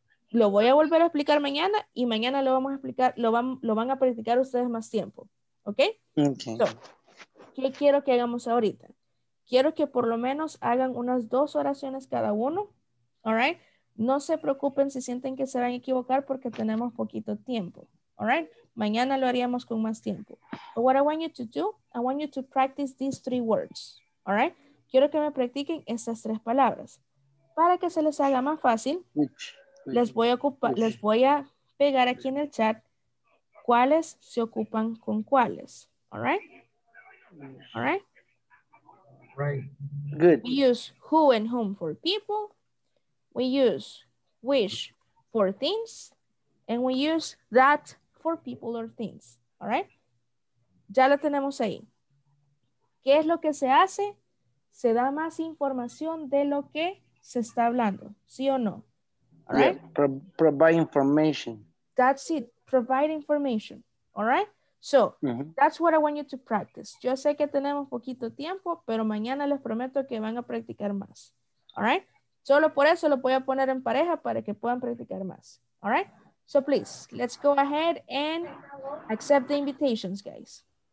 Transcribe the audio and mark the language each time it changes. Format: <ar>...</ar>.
<es>Lo voy a volver a explicar mañana y mañana lo vamos a explicar, lo van a practicar ustedes más tiempo, ¿okay?</es> <en>Okay.</en> <es>So, ¿qué quiero que hagamos ahorita? Quiero que por lo menos hagan unas dos oraciones cada uno,</es> <en>all right?</en> <es>No se preocupen si sienten que se van a equivocar porque tenemos poquito tiempo.</es> <en>All right?</en> <es>Mañana lo haríamos con más tiempo.</es> <en>But what I want you to do, I want you to practice these three words. All right?</en> <es>Quiero que me practiquen estas tres palabras. Para que se les haga más fácil, les voy a pegar aquí en el chat cuáles se ocupan con cuáles.</es> <en>All right? All right? Right. Good. We use who and whom for people. We use wish for things, and we use that for people or things, all right?</en> <es>Ya lo tenemos ahí. ¿Qué es lo que se hace? Se da más información de lo que se está hablando, ¿sí o no?</es> <en>All right? Yeah, provide information. That's it, provide information, all right? So, that's what I want you to practice.</en> <es>Yo sé que tenemos poquito tiempo, pero mañana les prometo que van a practicar más,</es> <en>all right?</en> <es>Solo por eso lo voy a poner en pareja para que puedan practicar más.</es> <en>All right? So please, let's go ahead and accept the invitations, guys.</en>